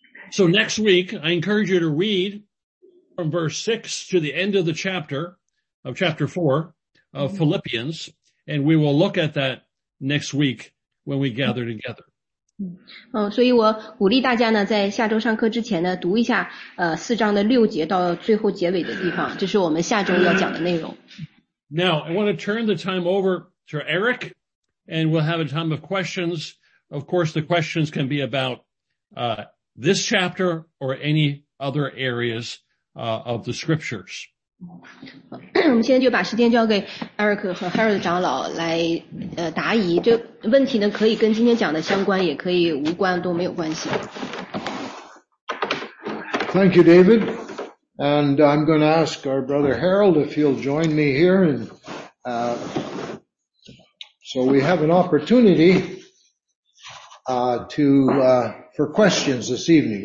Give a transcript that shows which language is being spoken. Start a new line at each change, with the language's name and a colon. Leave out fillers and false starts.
English: So next week, I encourage you to read from verse 6 to the end of the chapter, of chapter 4 of Philippians, and we will look at that next week, when we gather together.
Chinese: 所以我鼓励大家呢，在下周上课之前呢，读一下四章的六节到最后结尾的地方，这是我们下周要讲的内容。
English: Now, I want to turn the time over to Eric, and we'll have a time of questions. Of course, the questions can be about this chapter or any other areas of the scriptures.
Chinese: 我们现在就把时间交给 Eric 和 Harold 长老来答疑。这问题呢，可以跟今天讲的相关，也可以无关，都没有关系。
English: Thank you, David. And I'm going to ask our brother Harold if he'll join me here, and so we have an opportunity for questions this evening.